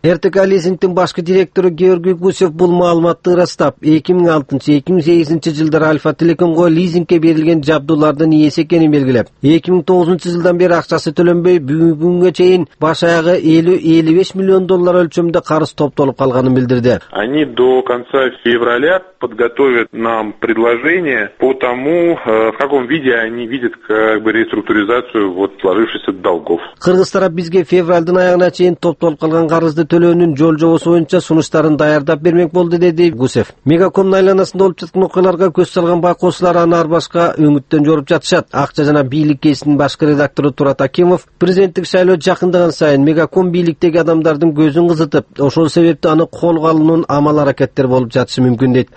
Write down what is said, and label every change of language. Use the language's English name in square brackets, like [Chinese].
[Kyrgyz] РТК лизингтин башкы директору Георгий Гусев бул маалыматты ырастап, 2006-2008 жылдары Альфа Телекомго лизингке берилген жабдуулардын ээси экенин белгилеп, 2009 жылдан бери акчасы төлөнбөй, бүгүнкү күнгө чейин баш аягы 50-55 миллион доллар өлчөмдө карыз топтолуп калганын билдирди. [Russian] Они до конца февраля подготовят нам предложение по тому, в каком виде они видят реструктуризацию сложившихся долгов. [Kyrgyz] Кыргыз тарап бизге февралдын аягына чейин топтолуп калган карызды төлөөнүн жол жобосу боюнча сунуштарын даярдап бермек болду, деди Гусев. Мегакомдун айланасында болуп жаткан окуяларга көз салган байкоочулар аны ар башка үмүттөн жоруп жатышат. Акча жана бийлик кесинин башкы редактору Турат Акимов президенттик шайлоо жакындаган сайын Мегаком бийликтеги адамдардын көзүн кызытып, ошол себептен аны колго алуунун амал аракеттери болуп жатышы мүмкүн, дейт.